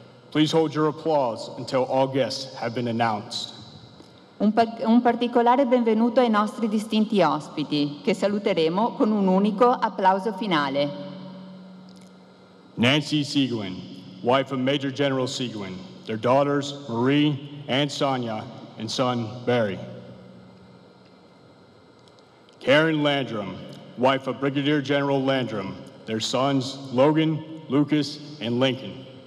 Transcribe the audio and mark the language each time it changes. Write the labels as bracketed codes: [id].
[en] Please hold your applause until all guests have been announced. [it] Un particolare benvenuto ai nostri distinti ospiti, che saluteremo con un unico applauso finale. [en] Nancy Seguin, wife of Major General Seguin, their daughters Marie and Sonia, and son Barre. Karen Landrum, wife of Brigadier General Landrum, their sons Logan, Lucas, and Lincoln.